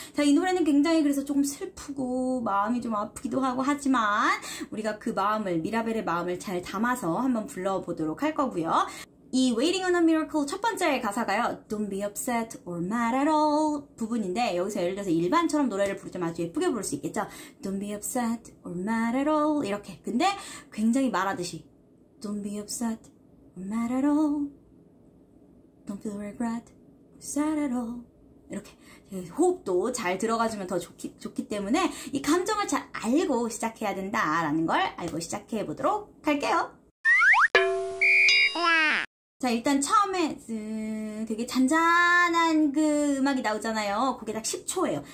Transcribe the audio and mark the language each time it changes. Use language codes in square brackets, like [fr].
[ko] 자, 이 노래는 굉장히 그래서 조금 슬프고 마음이 좀 아프기도 하고 하지만 우리가 그 마음을, 미라벨의 마음을 잘 담아서 한번 불러보도록 할 거고요. 이 Waiting on a Miracle 첫 번째 가사가요, [en] Don't be upset or mad at all [ko] 부분인데, 여기서 예를 들어서 일반처럼 노래를 부르자면 아주 예쁘게 부를 수 있겠죠. [en] Don't be upset or mad at all [ko] 이렇게. 근데 굉장히 말하듯이 [en] Don't be upset or mad at all, Don't feel regret or sad at all [ko] 이렇게. 호흡도 잘 들어가주면 더 좋기 때문에 이 감정을 잘 알고 시작해야 된다라는 걸 알고 시작해 보도록 할게요. 자, 일단 처음에 되게 잔잔한 그 음악이 나오잖아요. 그게 딱 10초예요.